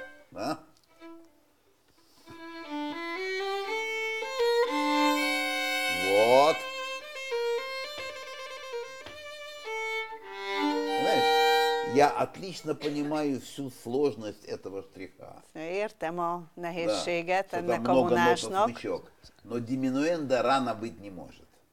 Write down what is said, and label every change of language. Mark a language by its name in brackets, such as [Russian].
[Russian] Да? Вот. Знаешь, я отлично понимаю всю сложность этого штриха. [Hungarian] Értem a nehézséget ennek a vonásnak. [Russian] Но диминуэндо рано быть не может.